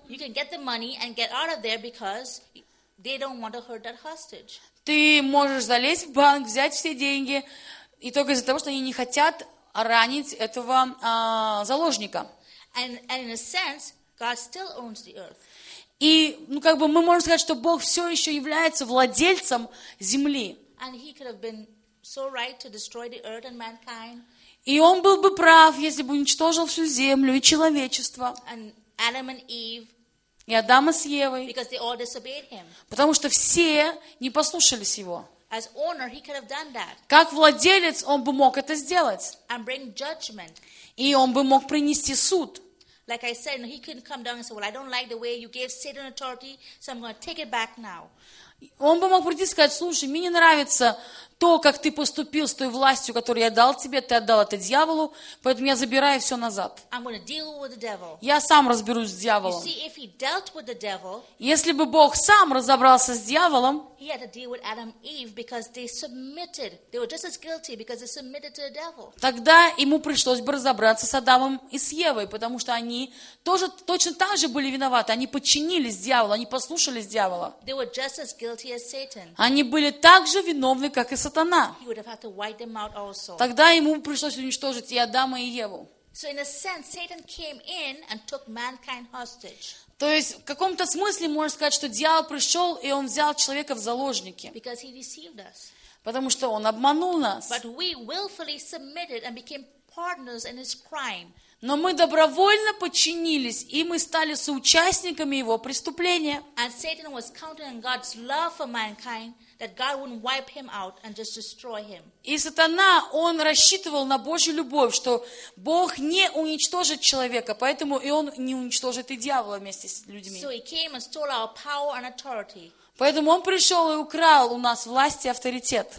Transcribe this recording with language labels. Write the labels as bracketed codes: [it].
[en] you can get the money and get out of there because they don't want to hurt that hostage. [ru] Ты можешь залезть в банк, взять все деньги, и только из-за того, что они не хотят ранить этого заложника. [en] And in a sense, God still owns the earth. [ru] И, ну, как бы мы можем сказать, что Бог все еще является владельцем земли. [en] And he could have been so right to destroy the earth and mankind. [ru] И он был бы прав, если бы уничтожил всю землю и человечество. [en] And Adam and Eve. [ru] И Адама с Евой. [en] Because they all disobeyed him. [ru] Потому что все не послушались его. [en] As owner, he could have done that. [ru] Как владелец, он бы мог это сделать. [en] And bring judgment. [ru] И он бы мог принести суд. [en] Like I said, he couldn't come down and say, "Well, I don't like the way you gave Satan authority, so I'm going to take it back now." [ru] Он бы мог прийти и сказать: "Слушай, мне не нравится то, как ты поступил с той властью, которую я дал тебе, ты отдал это дьяволу, поэтому я забираю все назад. [en] I'm going to deal with the devil." [ru] Я сам разберусь с дьяволом. [en] You see, if he dealt with the devil, [ru] если бы Бог сам разобрался с дьяволом, [en] he had to deal with Adam and Eve because they submitted. They were just as guilty because they submitted to the devil. [ru] Тогда ему пришлось бы разобраться с Адамом и с Евой, потому что они тоже точно так же были виноваты. Они подчинились дьяволу, они послушались дьявола. [en] They were just as guilty as Satan. [ru] Они были так же виновны, как и Сатана. [en] He would have had to wipe them out also. [ru] Тогда ему пришлось уничтожить и Адама, и Еву. [en] So in a sense, Satan came in and took mankind hostage. [ru] То есть в каком-то смысле можно сказать, что дьявол пришел и он взял человека в заложники. [en] Because he deceived us. [ru] Потому что он обманул нас. [en] But we willfully submitted and became partners in his crime. [ru] Но мы добровольно подчинились, и мы стали соучастниками его преступления. [en] And Satan was counting on God's love for mankind, that God wouldn't wipe him out and just destroy him. [ru] И Сатана, он рассчитывал на Божью любовь, что Бог не уничтожит человека, поэтому и он не уничтожит и дьявола вместе с людьми. [en] So he came and stole our power and authority. [ru] Поэтому он пришел и украл у нас власть и авторитет.